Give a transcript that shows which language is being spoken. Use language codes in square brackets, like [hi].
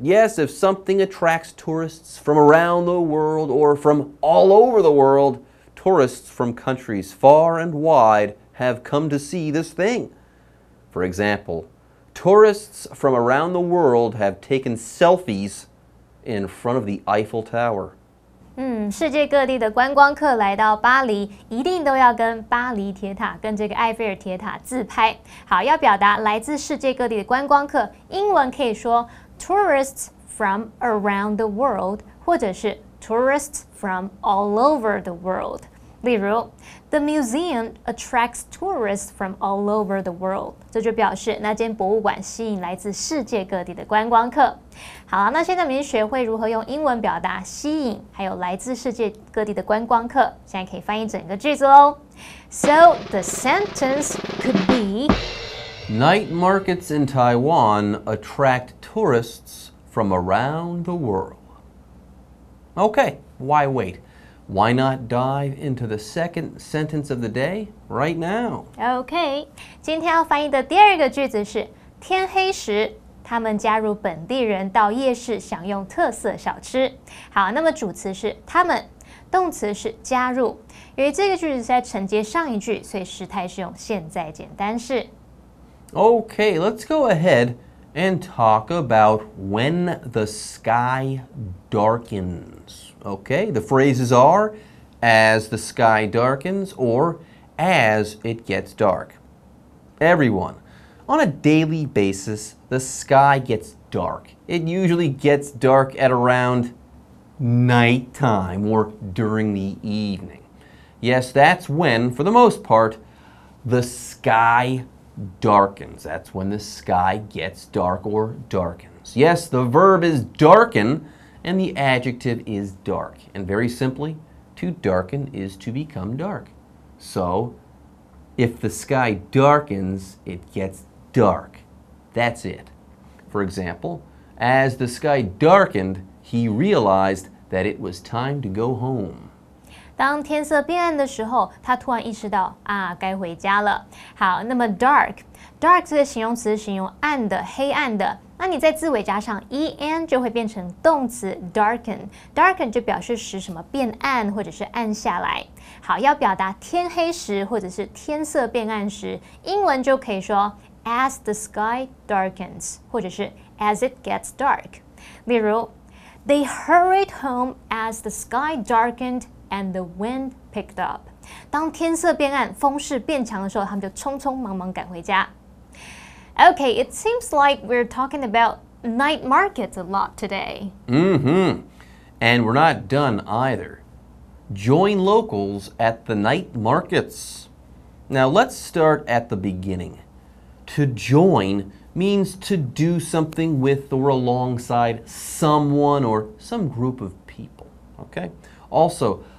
[en] Yes, if something attracts tourists from around the world or from all over the world, tourists from countries far and wide have come to see this thing. For example, tourists from around the world have taken selfies in front of the Eiffel Tower. [zh] 世界各地的观光客来到巴黎，一定都要跟巴黎铁塔、跟这个埃菲尔铁塔自拍。好，要表达来自世界各地的观光客，英文可以说 tourists from around the world，或者是 tourists from all over the world。 [en] 例如，The museum attracts tourists from all over the world。 [zh] 这就表示那间博物馆吸引来自世界各地的观光客。好，那现在我们已经学会如何用英文表达吸引，还有来自世界各地的观光客。现在可以翻译整个句子喽。 [en] So the sentence could be: Night markets in Taiwan attract tourists from around the world. Okay, why wait? Why not dive into the second sentence of the day right now? [zh] Okay, 今天要翻译的第二个句子是天黑时，他们加入本地人到夜市享用特色小吃。好，那么主词是他们，动词是加入。因为这个句子是在承接上一句，所以时态是用现在简单式。 [en] Okay, let's go ahead and talk about when the sky darkens. Okay, the phrases are as the sky darkens or as it gets dark. Everyone, on a daily basis, the sky gets dark. It usually gets dark at around nighttime or during the evening. Yes, that's when, for the most part, the sky darkens. That's when the sky gets dark or darkens. Yes, the verb is darken. And the adjective is dark. And very simply, to darken is to become dark. So, if the sky darkens, it gets dark. That's it. For example, as the sky darkened, he realized that it was time to go home. [zh] 当天色变暗的时候，他突然意识到啊，该回家了。好，那么 dark 这个形容词形容暗的、黑暗的。那你在字尾加上 en 就会变成动词 darken。 darken 就表示使什么变暗或者是暗下来。好，要表达天黑时或者是天色变暗时，英文就可以说 as the sky darkens 或者是 as it gets dark。 [en] 例如，They hurried home as the sky darkened. And the wind picked up. [zh] 当天色变暗，风势变强的时候，他们就匆匆忙忙赶回家。 [en] Okay, it seems like we're talking about night markets a lot today. And we're not done either. Join locals at the night markets. Now let's start at the beginning. To join means to do something with or alongside someone or some group of people. Okay. Also.